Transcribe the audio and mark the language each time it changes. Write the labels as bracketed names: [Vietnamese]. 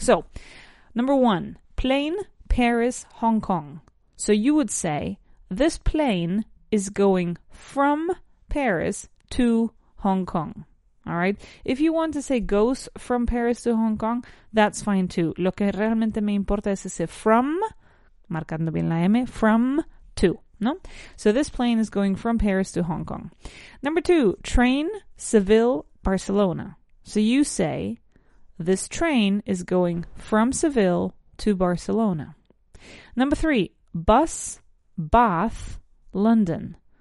[English] So, number 1, plane, Paris, Hong Kong. So you would say, this plane is going from Paris to Hong Kong, all right? If you want to say goes from Paris to Hong Kong, that's fine too. [Spanish] Lo que realmente me importa es ese from, marcando bien la M, from to, ¿no? [English] So this plane is going from Paris to Hong Kong. Number 2, train, Seville, Barcelona. So you say, this train is going from Seville to Barcelona. Number 3, bus, Bath, London.